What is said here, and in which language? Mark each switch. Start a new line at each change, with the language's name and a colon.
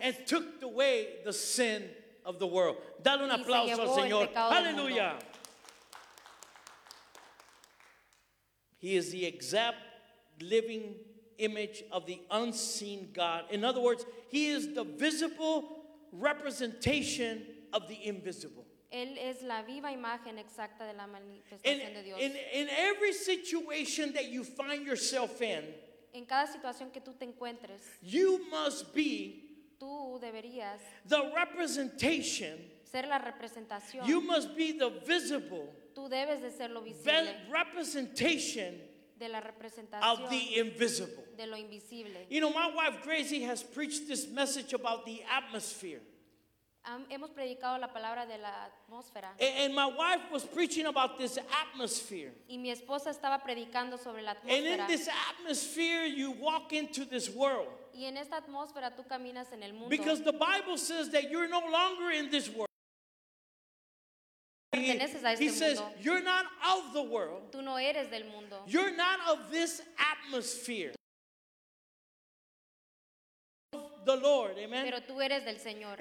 English: and took away the sin of the world.
Spanish: Dale un aplauso al Señor.
English: Hallelujah. He is the exact living image of the unseen God. In other words, He is the visible representation of the invisible.
Spanish: Él es la viva imagen exacta de la manifestación de Dios.
English: In every situation that you find yourself in,
Spanish: en cada situación que tú te encuentres,
English: you must be
Spanish: tú deberías
English: the representation,
Spanish: ser la representación,
English: you must be the visible,
Spanish: tú debes de ser lo visible,
English: representation
Spanish: de la representación
English: of the invisible.
Spanish: De lo invisible.
English: You know, my wife Gracie has preached this message about the atmosphere.
Spanish: Hemos predicado la palabra de la atmósfera.
English: And my wife was preaching about this atmosphere.
Spanish: Y mi esposa estaba predicando sobre la atmósfera.
English: And in this atmosphere, you walk into this world.
Spanish: Y en esta atmósfera tú caminas en el mundo.
English: Because the Bible says that you're no longer in this world. He says you're not of the world.
Spanish: Tú no eres del mundo.
English: You're not of this atmosphere. the Lord, amen?
Spanish: Pero tú eres del Señor.